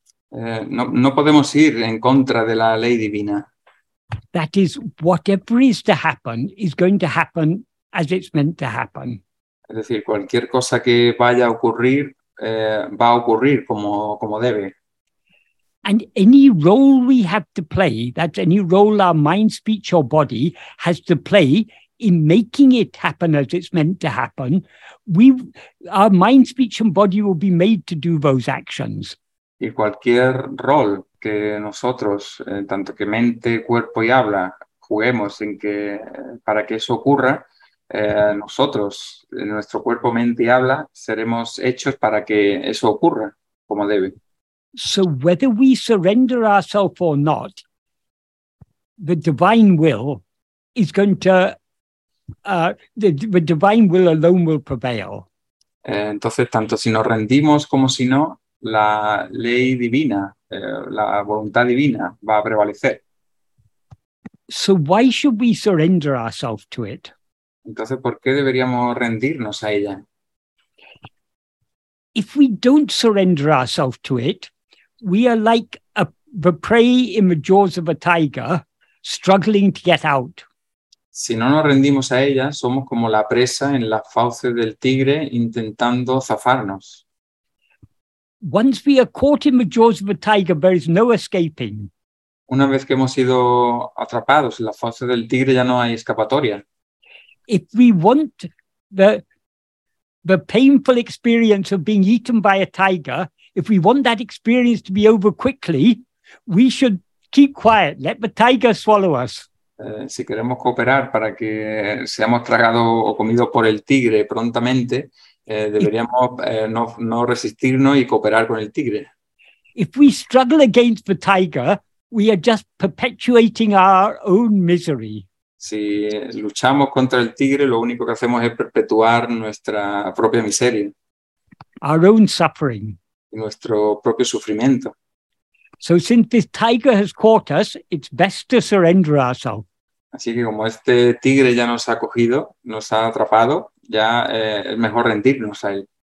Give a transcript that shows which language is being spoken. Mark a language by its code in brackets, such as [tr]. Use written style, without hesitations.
[es] No podemos ir en contra de la ley divina. [en] That is, whatever is to happen is going to happen as it's meant to happen. [es] Es decir, cualquier cosa que vaya a ocurrir va a ocurrir como debe. [en] And any role we have to play, that's any role our mind, speech, or body has to play in making it happen as it's meant to happen, our mind, speech, and body will be made to do those actions. [es] Y cualquier rol que nosotros, tanto que mente, cuerpo y habla, juguemos en que para que eso ocurra, nosotros, en nuestro cuerpo, mente y habla, seremos hechos para que eso ocurra como debe. [en] So whether we surrender ourselves or not, the divine will is going to, the divine will alone will prevail. [es] Entonces, tanto si nos rendimos como si no, la ley divina, la voluntad divina va a prevalecer. [en] So why should we surrender ourselves to it? [es] Entonces, ¿por qué deberíamos rendirnos a ella? [en] If we don't surrender ourselves to it, we are like the prey in the jaws of a tiger, struggling to get out. [es] Si no nos rendimos a ella, somos como la presa en las fauces del tigre intentando zafarnos. [en] Once we are caught in the jaws of a tiger, there is no escaping. [es] Una vez que hemos sido atrapados en las fauces del tigre, ya no hay escapatoria. [en] If we want the painful experience of being eaten by a tiger, if we want that experience to be over quickly, We should keep quiet. Let the tiger swallow us. [es] Si queremos cooperar para que seamos tragados o comidos por el tigre prontamente, deberíamos no resistirnos y cooperar con el tigre. [en] If we struggle against the tiger, we are just perpetuating our own misery. [es] Si luchamos contra el tigre, lo único que hacemos es perpetuar nuestra propia miseria. [en] Our own suffering. [es] Nuestro propio sufrimiento. [en] So since this tiger has caught us, it's best to surrender ourselves. [es] Así que como este tigre ya nos ha cogido, nos ha atrapado, ya es mejor rendirnos a él.